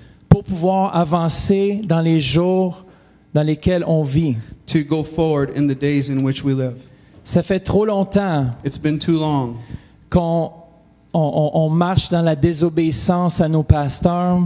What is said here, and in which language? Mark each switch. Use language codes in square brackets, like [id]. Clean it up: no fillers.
[fr] pour pouvoir avancer dans les jours dans lesquels on vit. [en] To go forward in the days in which we live. [fr] Ça fait trop longtemps [en] it's been too long [fr] qu'on on marche dans la désobéissance à nos pasteurs.